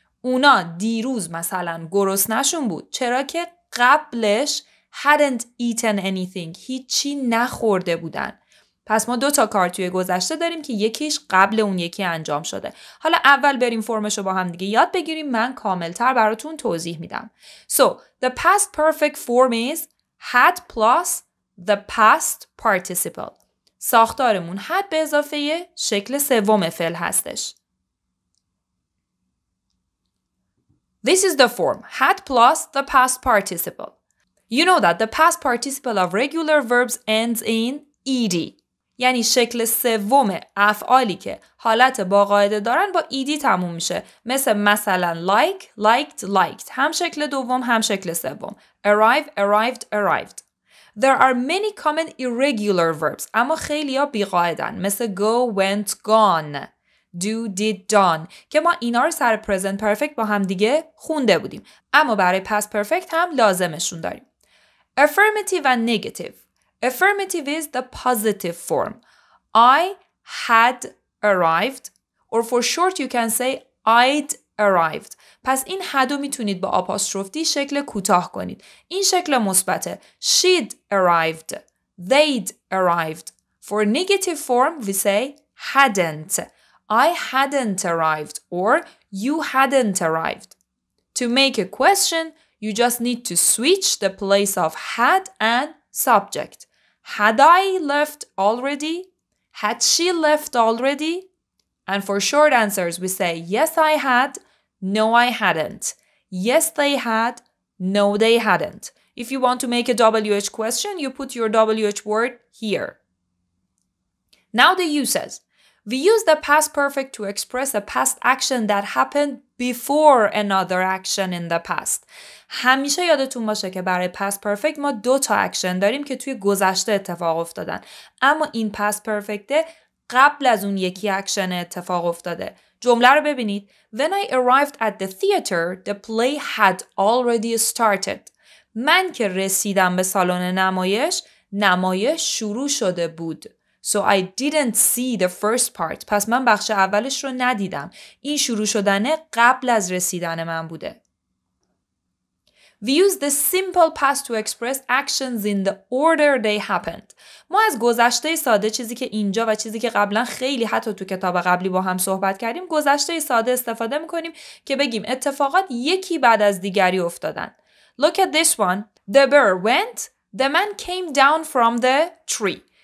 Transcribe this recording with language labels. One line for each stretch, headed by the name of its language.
Persian: اونا دیروز مثلا گرسنه‌شون بود. چرا که قبلش
English: hadn't eaten anything.
Persian: هیچی نخورده بودن. پس ما دو تا کار توی گذشته داریم که یکیش قبل اون یکی انجام شده. حالا اول بریم فرمشو با هم دیگه یاد بگیریم. من کاملتر براتون توضیح میدم.
English: So, the past perfect form is had plus the past participle.
Persian: ساختارمون had به اضافه شکل سوم فعل هستش.
English: This is the form. Had plus the past participle. You know that the past participle of regular verbs ends in ed.
Persian: یعنی شکل سوم افعالی که حالت باقاعده دارن با ایدی تموم میشه. مثلا
English: like, liked, liked.
Persian: هم شکل دوم هم شکل سوم.
English: Arrive, arrived, arrived. There are many common irregular verbs,
Persian: اما خیلی ها بیقاعدن. مثل
English: go, went, gone, do, did, done.
Persian: که ما اینا رو سر present perfect با هم دیگه خونده بودیم. اما برای past perfect هم لازمشون داریم.
English: Affirmative and negative. Affirmative is the positive form. I had arrived. Or for short you can say I'd arrived.
Persian: پس این had رو میتونید با آپاستروفی شکل کوتاه کنید. این شکل مثبته.
English: She'd arrived. They'd arrived. For negative form we say hadn't. I hadn't arrived. Or you hadn't arrived. To make a question, you just need to switch the place of had and subject. Had I left already? Had she left already? And for short answers we say yes I had. No, I hadn't. Yes, they had. No, they hadn't. If you want to make a WH question, you put your WH word here. Now the uses. We use the past perfect to express a past action that happened before another action in the past.
Persian: همیشه یادتون باشه که برای past perfect ما دو تا action داریم که توی گذشته اتفاق افتادن. اما این past perfect قبل از اون یکی action اتفاق افتاده. جمله رو ببینید.
English: When I arrived at the theater, the play had already started.
Persian: من که رسیدم به سالن نمایش، نمایش شروع شده بود.
English: So I didn't see the first part.
Persian: پس من بخش اولش رو ندیدم. این شروع شدنه قبل از رسیدن من بوده.
English: We use the simple past to express actions in the order they happened.
Persian: ما از گذشته ساده چیزی که اینجا و چیزی که قبلا خیلی حتی تو کتاب قبلی با هم صحبت کردیم گذشته ساده استفاده میکنیم که بگیم اتفاقات یکی بعد از دیگری افتادن.
English: Look at this one. The bear went. The man came down from the tree.